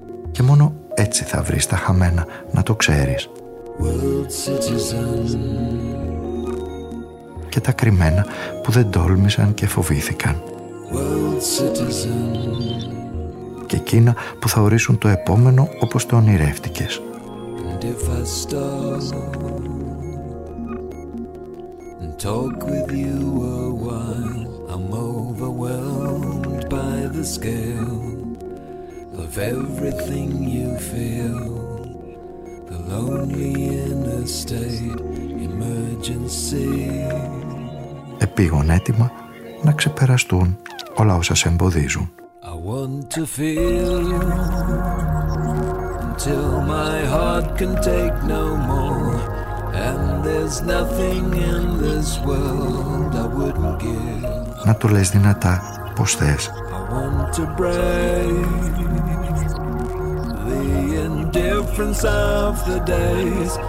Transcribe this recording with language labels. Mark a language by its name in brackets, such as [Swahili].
[Greek] Και μόνο έτσι θα βρεις τα χαμένα, να το ξέρεις. [English] World citizen. [Greek] Και τα κρυμμένα που δεν τόλμησαν και φοβήθηκαν. [English] World citizen. [Greek] Και εκείνα που θα ορίσουν το επόμενο όπως το ονειρεύτηκες. [English] And if I stop and talk with you a while, I'm overwhelmed by the scale of everything you feel. The lonely inner state, emergency. [Greek] Επήγον έτοιμα να ξεπεραστούν όλα όσα σε εμποδίζουν. [English] I want to feel until my heart can take no more. And there's nothing in this world I wouldn't give. [Greek] Να το λες δυνατά πως θες. [English] I want to break the indifference of the days.